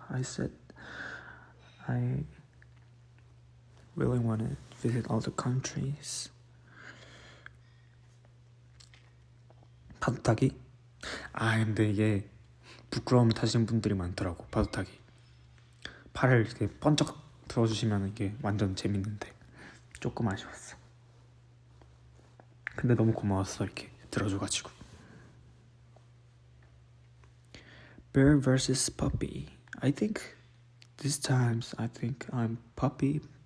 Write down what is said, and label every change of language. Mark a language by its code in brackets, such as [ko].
[en] I said, I really want to visit all the countries. [ko] 파도타기? 아 근데 이게 부끄러움을 타시는 분들이 많더라고. 파도타기 팔을 이렇게 번쩍 들어주시면 이게 완전 재밌는데 조금 아쉬웠어. 근데 너무 고마웠어 이렇게 들어줘가지고. [en] Bear vs. Puppy. I think this time I think I'm puppy.